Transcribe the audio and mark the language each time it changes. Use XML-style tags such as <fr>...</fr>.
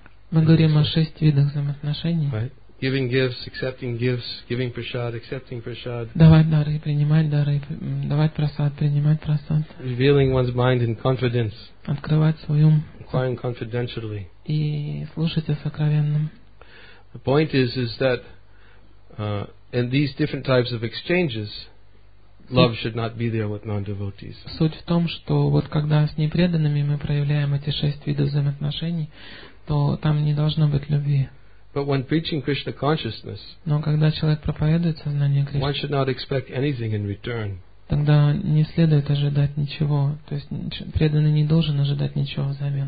<ru>Мы говорим о шести видах взаимоотношений.</ru> <en>Right. Giving gifts, accepting gifts, giving prasad, accepting prasad.</en> <ru>Давать дары, принимать дары, давать прасад, принимать прасад.</ru> <en>Revealing one's mind in confidence.</en> <ru>Открывать свой ум.</ru> <en>Inquiring confidentially.</en> <ru>И слушать о сокровенном.</ru> <en>The point is that in these different types of exchanges, love should not be there with non-devotees.</en> <ru>Суть в том, что вот когда с непреданными мы проявляем эти шесть видов взаимоотношений, то там не должно быть любви.</ru> <en>But when preaching Krishna consciousness,</en> <ru>но когда человек проповедует сознание Кришны,</ru> <en>one should not expect anything in return.</en> <ru>Тогда не следует ожидать ничего, то есть преданный не должен ожидать ничего взамен.</ru>